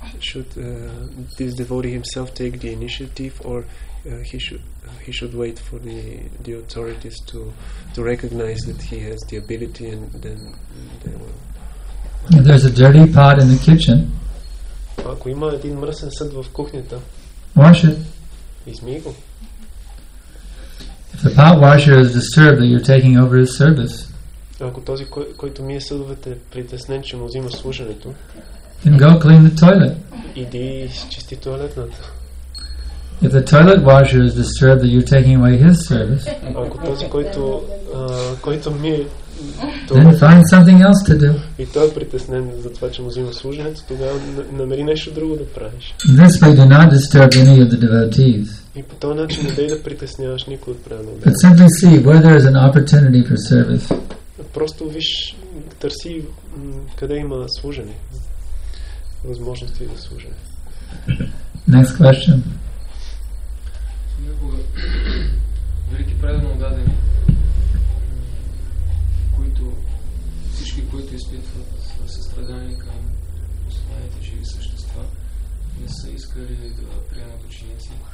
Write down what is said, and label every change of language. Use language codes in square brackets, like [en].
[en] Should this devotee himself take the initiative, or he should wait for the authorities to recognize that he has the ability and then they will. If there's a dirty pot in the kitchen. [bg] Ако има един мръсен съд в кухнята. [en] Wash it. [bg] Измий го. [en] If the pot washer is disturbed that you're taking over his service, [bg] ако този който мие съдовете е притеснен, че му взима служането, [en] then go clean the toilet. [bg] Иди изчисти туалетната. [en] If the toilet washer is disturbed that you're taking away his service, [bg] ако този който мие, [en] then find something else to do. [bg] И той е притеснен за това, че му взима служението, тогава намери нещо друго да правиш. [en] This way do not disturb any of the devotees. [bg] И по този начин не дай да притесняваш никой от преданите. [en] But simply see where there is an opportunity for service. [bg] Просто виж, търси къде има служене. Възможности за служене. [en] Next question. [bg] Някога велики предани отдадени, които всички, които изпитват състрадание към останалите живи същества, не са искали да приемат ученици.